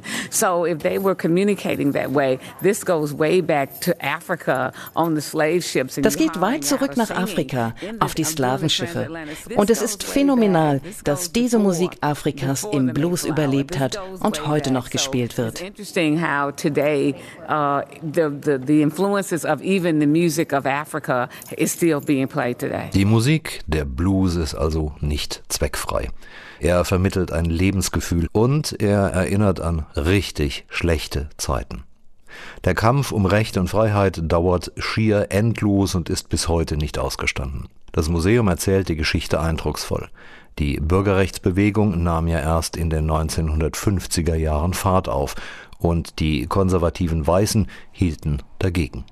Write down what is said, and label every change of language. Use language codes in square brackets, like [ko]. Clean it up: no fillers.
[en] So if they were communicating that way, this goes way back to Africa on the slave ships. [de] Das geht weit zurück nach Afrika, auf die Sklavenschiffe. Und es ist phänomenal, dass diese Musik Afrikas im Blues überlebt hat und heute noch gespielt wird. [en] It's interesting how today the influences of even the music of Africa is still being played today. [de] Die Musik, der Blues, ist also nicht zweckfrei. Er vermittelt ein Lebensgefühl und er erinnert an richtig schlechte Zeiten. Der Kampf um Recht und Freiheit dauert schier endlos und ist bis heute nicht ausgestanden. Das Museum erzählt die Geschichte eindrucksvoll. Die Bürgerrechtsbewegung nahm ja erst in den 1950er Jahren Fahrt auf und die konservativen Weißen hielten dagegen.